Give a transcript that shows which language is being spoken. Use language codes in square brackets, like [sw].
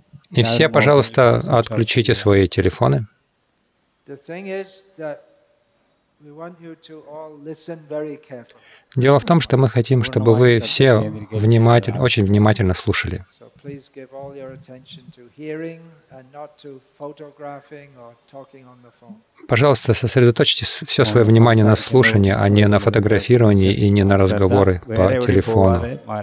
[ru] И все, пожалуйста, отключите свои телефоны. [en] The thing is that we want you to all listen very carefully. [ru] Дело в том, что мы хотим, чтобы вы все внимательно, очень внимательно слушали. [en] So please give all your attention to hearing and not to photographing or talking on the phone. [ru] Пожалуйста, сосредоточьте все свое внимание на слушании, а не на фотографировании и не на разговоры по телефону.